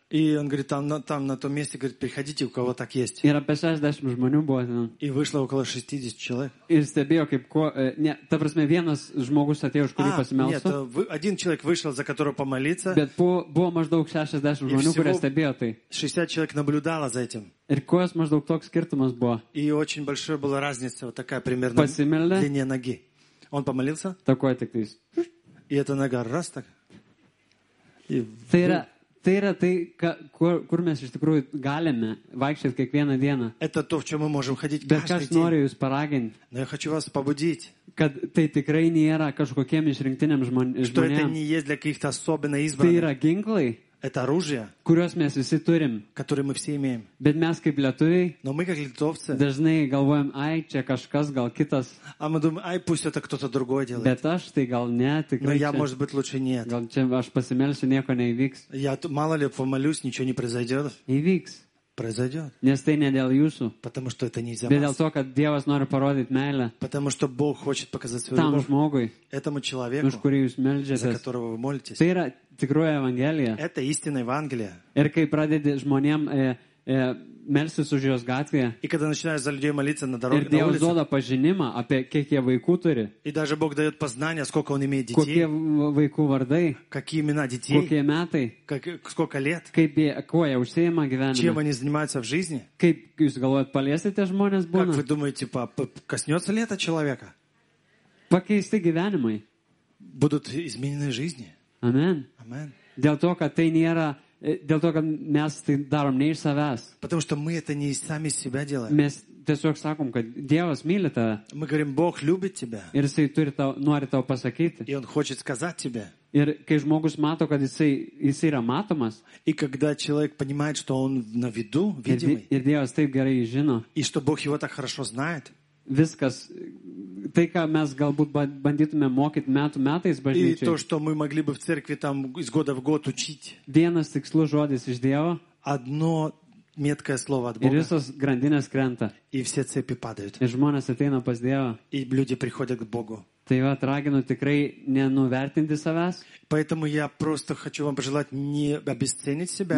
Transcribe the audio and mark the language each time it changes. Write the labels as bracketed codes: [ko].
[ru] И он говорит, там на том месте, говорит, приходите, у кого так есть. [lt] Ir apie 60 žmonių buvo ten. [ru] И вышло около 60 человек. [lt] Ir stebėjo, kaip ko, не, ta prasme, vienas žmogus atėjo, už kurį pasimelso. [ru] Нет, один человек вышел, за которого помолиться. [lt] Bet buvo maždaug 60 žmonių, kurie stebėjo tai. [ru] 60 человек наблюдало за этим. [lt] Ir kojas maždaug toks skirtumas buvo. [ru] И очень большая была разница, вот такая примерно длиния ноги. Он помолился. Такой так ты. И эта нога раз так. И вдруг... [lt] Tai yra tai, kur mes iš tikrųjų galime vaikščiai kiekvieną dieną. [ru] Это то, в чём мы можем ходить каждый день. [lt] Bet aš noriu jūs paraginti. [ru] Но я хочу вас побудить. [lt] Kad tai tikrai nėra kažkokiem išrinktiniam žmonėm. [ru] Что это не есть для каких-то особенно избранных. [lt] Tai yra ginklai. [ru] Это оружие. [lt] Kuriuos mes visi turim. [ru] Которые мы все имеем. [lt] Bet mes kaip lietuviai. [ru] Но мы как литовцы. [lt] Dažnai galvojam, ай, čia kažkas gal kitas. [ru] А мы думаем, ай, пусть это кто-то другой делает. [lt] Bet aš tai gal ne, tikrai. [ru] Но я, может быть, лучше нет. [lt] Gal čia aš pasimelsiu, nieko neįvyks. [ru] Я мало ли помолюсь, ничего не произойдет. [lt] Įvyks. [ru] Произойдет. [lt] Nes tai ne dėl jūsų. [ru] Потому что это не за вас. [lt] Dėl to, kad Dievas nori parodyti meilę. [ru] Потому что Бог хочет показать свою любовь. [lt] Tam žmogui. [ru] Этому человеку. [lt] Už kurį jūs meldžiatės. [ru] За которого вы молитесь. [lt] Tai yra tikroji Evangelija. [ru] Это истинная Евангелие. [lt] Ir kai pradedi žmonėm melstis už jos gatvėje. [ru] И когда начинаешь за людей молиться на дороге, [lt] ir Dievas duoda pažinimą, apie kiek jie vaikų turi. [ru] И даже Бог дает познание, сколько он имеет детей. [lt] Kokie vaikų vardai. [ru] Какие имена детей. [lt] Kokie metai. [ru] Сколько лет. [lt] Kaip jie, kuo jie užsiima gyvenime. [ru] Чем они занимаются в жизни. [lt] Kaip jūs galvojat, paliesite žmonės būna. [ru] Как вы думаете, коснется ли это человека. [lt] Pakeisti gyvenimai. [ru] Будут изменены жизни. [lt] Amen. [ru] Amen. [lt] Dėl to, kad tai nėra, dėl to, kad mes tai darom ne iš savęs. [ru] Потому что мы это не сами себя делаем. [lt] Mes tiesiog sakom, kad Dievas myli tave. [ru] Мы говорим, Бог любит тебя. [lt] Ir jisai turi tau, nori tau pasakyti. [ru] И он хочет сказать тебе. [lt] Ir kai žmogus mato, kad jisai yra matomas. [ru] И когда человек понимает, что он на виду, видимый. [lt] Ir Dievas taip gerai žino. [ru] И что Бог его так хорошо знает. [lt] Viskas, tai, ką mes galbūt bandytume mokyti metų metais bažnyčiai. [ru] И то, что мы могли бы в церкви там из года в год учить. [lt] Vienas tikslus žodis iš Dievo. [ru] Одно меткое слово от Бога. [lt] Ir visos grandinės krenta. [ru] И все цепи падают. [lt] Ir žmonės ateina pas Dievą. [ru] И люди приходят к Богу. [lt] Tai va, raginu tikrai nenuvertinti savęs. [ru] Поэтому я просто хочу вам пожелать не обесценить себя.